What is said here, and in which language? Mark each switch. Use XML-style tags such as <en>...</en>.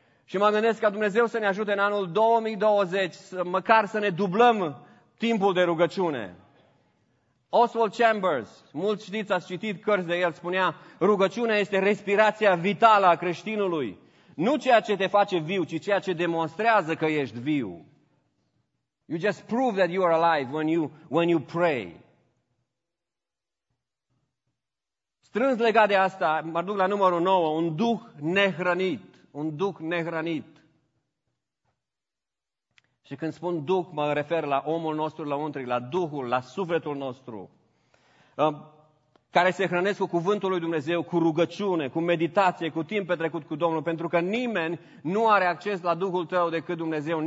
<ro>Și mă gândesc ca Dumnezeu să ne ajute în anul 2020 să măcar să ne dublăm timpul de rugăciune. Oswald Chambers, mulți știți, ați citit cărți de el, spunea, rugăciunea este respirația vitală a creștinului. Nu ceea ce te face viu, ci ceea ce demonstrează că ești viu.</ro> <en>You just prove that you are alive when you pray.</en> <ro>Strâns legat de asta, mă duc la numărul 9, un duh nehrănit. Un duh nehrănit. Și când spun duh, mă refer la omul nostru lăuntric, la duhul, la sufletul nostru, care se hrănesc cu cuvântul lui Dumnezeu, cu rugăciune, cu meditație, cu timp petrecut cu Domnul, pentru că nimeni nu are acces la Duhul tău decât Dumnezeu.</ro>